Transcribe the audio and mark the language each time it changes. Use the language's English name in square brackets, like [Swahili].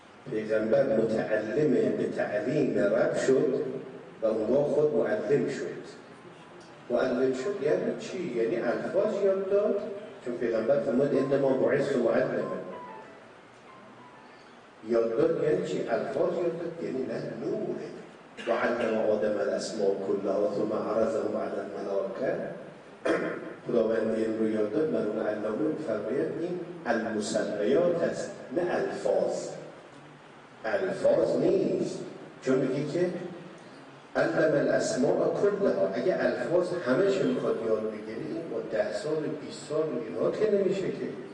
[Persian] پیغمبر متعلم به تعلیم رب شد و الله خود معلم شد. معلم شد یعنی چی؟ یعنی الفاظ یاد داد. چون پیغمبر فرمود [Arabic] انما بعثت معلما. [Persian] یاد داد یعنی چی؟ الفاظ یاد داد یعنی نه نوره. [Arabic] وعلم آدم الاسماء كلها ثم عرضهم على الملائكه. [Persian] خداوند این رو یاد داد من اون علامه فرماید این المسمیات است نه الفاظ. الفاظ نیست، چون میگه که [Arabic] علم الاسماء كلها. [Persian] اگه الفاظ همه شو میخواد یاد بگیری و 10 سال 20 سال اینها که نمیشه که.